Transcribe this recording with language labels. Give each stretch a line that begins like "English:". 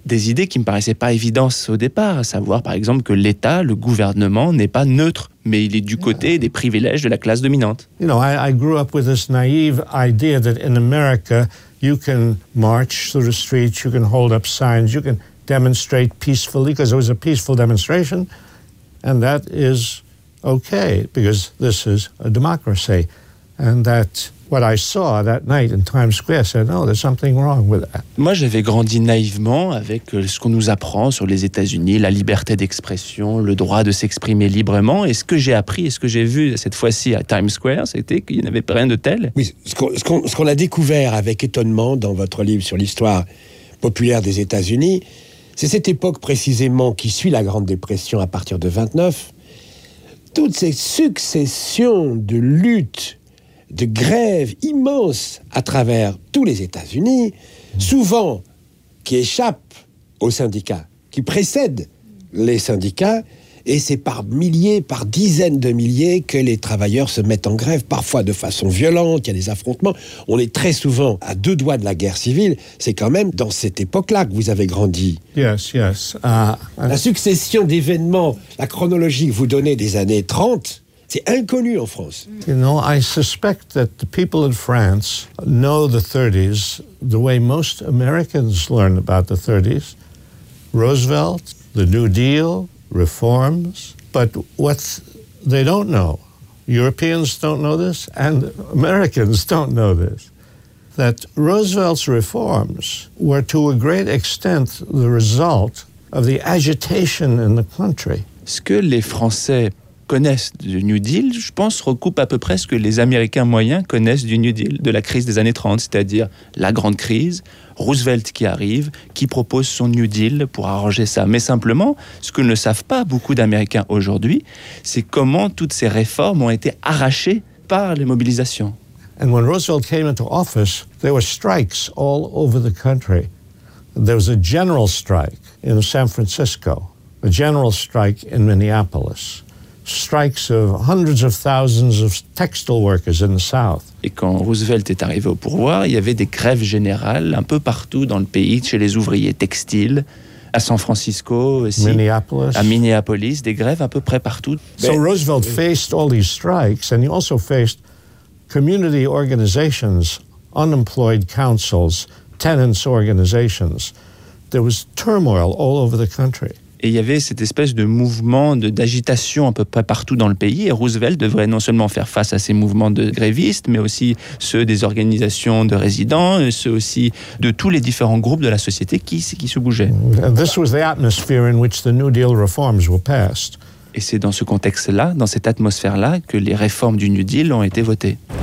French: Des idées qui me paraissaient pas évidentes au départ, à savoir par exemple que l'État, le gouvernement, n'est pas neutre, mais il est du côté des privilèges de la classe dominante.
English: You know, I grew up with this naive idea that in America you can march through the streets, you can hold up signs, you can demonstrate peacefully because it was a peaceful demonstration, and that is okay because this is a democracy, and that. What I saw that night in Times Square said, "No, there's something wrong with that."
French: Moi, j'avais grandi naïvement avec ce qu'on nous apprend sur les États-Unis, la liberté d'expression, le droit de s'exprimer librement. Et ce que j'ai appris, et ce que j'ai vu cette fois-ci à Times Square, c'était qu'il n'y avait rien de tel. Oui, ce qu'on a découvert avec étonnement dans votre livre sur l'histoire populaire des États-Unis, c'est cette époque précisément qui suit la Grande Dépression à partir de 29. Toutes ces successions de luttes, de grèves immenses à travers tous les États-Unis, souvent qui échappent aux syndicats, qui précèdent les syndicats, et c'est par milliers, par dizaines de milliers que les travailleurs se mettent en grève, parfois de façon violente, il y a des affrontements. On est très souvent à deux doigts de la guerre civile. C'est quand même dans cette époque-là que vous avez grandi.
English: Yes, yes.
French: La succession d'événements, la chronologie que vous donnez des années 30, c'est inconnu en France.
English: You know, I suspect that the people in France know the 30s the way most Americans learn about the 30s. Roosevelt, the New Deal, reforms. But what they don't know, Europeans don't know this, and Americans don't know this, that Roosevelt's reforms were to a great extent the result of the agitation in the country.
French: Ce que les Français connaissent du New Deal, je pense, recoupe à peu près ce que les Américains moyens connaissent du New Deal, de la crise des années 30, c'est-à-dire la grande crise, Roosevelt qui arrive, qui propose son New Deal pour arranger ça. Mais simplement, ce que ne savent pas beaucoup d'Américains aujourd'hui, c'est comment toutes ces réformes ont été arrachées par les mobilisations.
English: And when Roosevelt came into office, there were strikes all over the country. There was a general strike in San Francisco, a general strike in Minneapolis. Strikes of hundreds of thousands of textile workers in the South.
French: Et quand Roosevelt est arrivé au pouvoir, il y avait des grèves générales un peu partout dans le pays, chez les ouvriers textiles, à San Francisco, aussi, Minneapolis. À Minneapolis, des grèves à peu près partout.
English: So Roosevelt faced all these strikes, and he also faced community organizations, unemployed councils, tenants organizations. There was turmoil all over the country.
French: Et il y avait cette espèce de mouvement d'agitation à peu près partout dans le pays. Et Roosevelt devrait non seulement faire face à ces mouvements de grévistes, mais aussi ceux des organisations de résidents, et ceux aussi de tous les différents groupes de la société qui se bougeaient.
English: This was the atmosphere in which the New Deal reforms were passed.
French: Et c'est dans ce contexte-là, dans cette atmosphère-là, que les réformes du New Deal ont été votées.